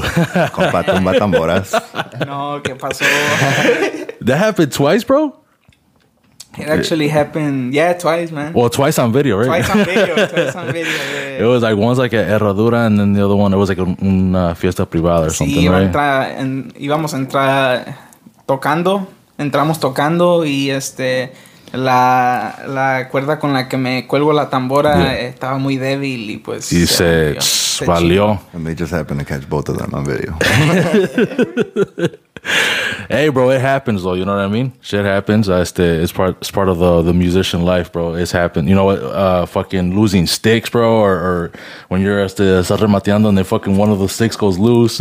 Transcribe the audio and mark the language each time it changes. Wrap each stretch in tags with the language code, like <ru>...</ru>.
<es>Compa tumba tamboras. No, ¿qué pasó?</es> <en>That happened twice, bro? It actually happened, yeah, twice, man. Well, twice on video, right? Twice on video. Yeah. It was like once like a herradura and then the other one, it was like</en> <es>una fiesta privada</es> <en>or something,</en> <es>sí,</es> <en>right?</en> <es>Íbamos a entrar tocando, entramos tocando y La cuerda con la que me cuelgo la tambora estaba muy débil y pues... Y se valió.</es> <en>And they just happened to catch both of them on video. Hey, bro, it happens, though. You know what I mean? Shit happens. It's part of the musician life, bro. It's happened. You know what? Fucking losing sticks, bro. Or when you're remateando and they fucking one of the sticks goes loose.</en>